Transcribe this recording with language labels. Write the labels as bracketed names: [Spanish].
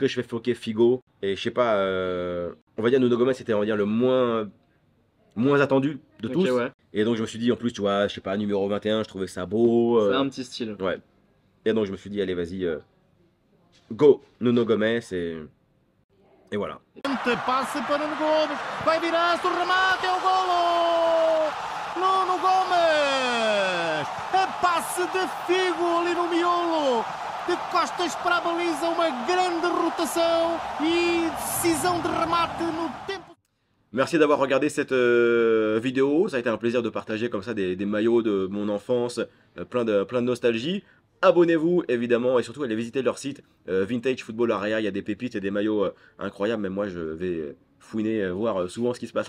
[French] que je fais floquer Figo? Et je sais pas, on va dire Nuno Gomes, c'était, on va dire, le moins attendu de Ok, tous. ouais. Et donc je me suis dit, en plus, tu vois, je sais pas, numéro 21, je trouvais ça beau. C'est un petit style. Ouais. Et donc je me suis dit, allez, vas-y, go Nuno Gomes et voilà. [Portuguese] Passe para Nuno Gomes, vai virar-se o remate, é o golo! Nuno Gomes! A passe de Figo ali no miolo, de costas para a baliza, uma grande rotação e decisão de remate no tempo. [French] Merci d'avoir regardé cette vidéo. Ça a été un plaisir de partager comme ça des maillots de mon enfance, plein de nostalgie. Abonnez-vous évidemment et surtout allez visiter leur site Vintage Football Area. Il y a des pépites et des maillots incroyables. Même moi, je vais fouiner, voir souvent ce qui se passe